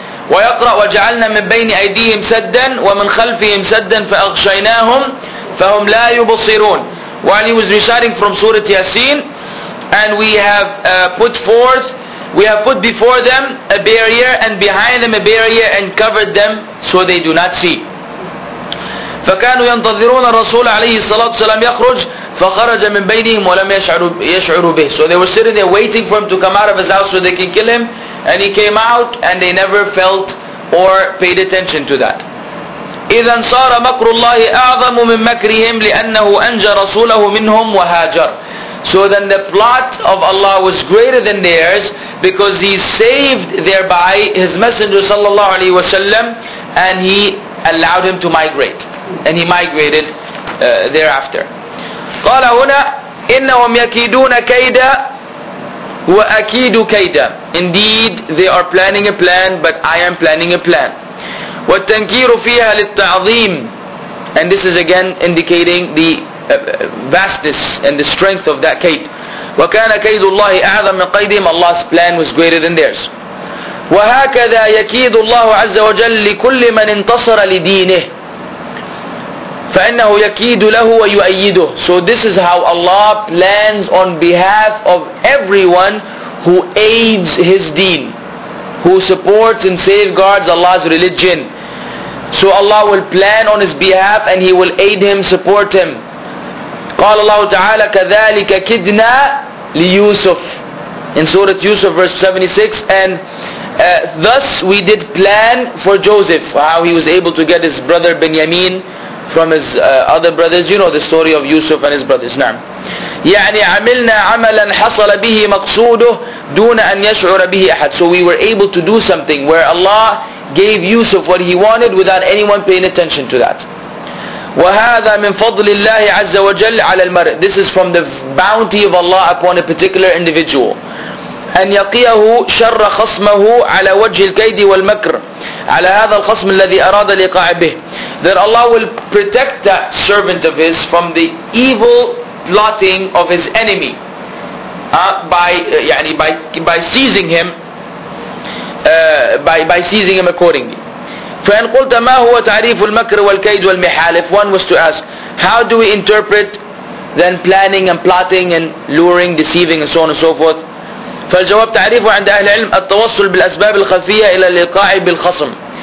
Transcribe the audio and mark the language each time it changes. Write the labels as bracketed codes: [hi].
[ar] ويقرأ وجعلنا من بين أيديهم سدا ومن خلفهم سدا فأغشيناهم فهم لا يبصرون. [en] While he was reciting from Surah Yasin, and we have put before them a barrier and behind them a barrier and covered them so they do not see. [ar] فكانوا ينتظرون الرسول عليه الصلاة والسلام يخرج فخرج من بينهم ولم يشعروا به. [en] So they were sitting there waiting for him to come out of his house so they can kill him, and he came out and they never felt or paid attention to that. [ar] إذا صار مكر الله أعظم من مكرهم لأنه أنجى رسوله منهم وهاجر. [en] So then the plot of Allah was greater than theirs because he saved thereby his messenger [ar] صلى الله عليه وسلم [en] and he allowed him to migrate. And he migrated thereafter. [ar] قال هنا إنهم يكيدون كيدا وأكيد كيدا. [en] Indeed they are planning a plan but I am planning a plan. [ar] والتنكير فيها للتعظيم. [en] And this is again indicating the vastness and the strength of that كيد. [ar] وكان كيد الله أعظم من قيدهم. [en] Allah's plan was greater than theirs. [ar] وهكذا يكيد الله عز وجل لكل من انتصر لدينه فإنه يكيد له ويؤيده. [en] So this is how Allah plans on behalf of everyone who aids his deen, who supports and safeguards Allah's religion. So Allah will plan on his behalf and he will aid him, support him. [ar] قال الله تعالى كذلك كدنا ليوسف. [en] In Surah Yusuf verse 76. And thus we did plan for Joseph, how he was able to get his brother Benjamin from his other brothers. You know the story of Yusuf and his brothers. [ar] نعم. يعني عملنا عملا حصل به مقصوده دون أن يشعر به أحد. [en] So we were able to do something where Allah gave Yusuf what he wanted without anyone paying attention to that. [ar] وهذا من فضل الله عز وجل على المرء. [en] This is from the bounty of Allah upon a particular individual. [ar] أن يقيه شر خصمه على وجه الكيد والمكر على هذا الخصم الذي أراد لقاء به. [en] That Allah will protect that servant of his from the evil plotting of his enemy by seizing him by seizing him accordingly. [ar] فإن قلت ما هو تعريف المكر والكيد والمحال, [en] if one was to ask, how do we interpret then planning and plotting and luring, deceiving and so on and so forth, [ar] فالجواب تعريفه عند أهل العلم التوصل بالأسباب الخفية إلى اللقاء بالخصم.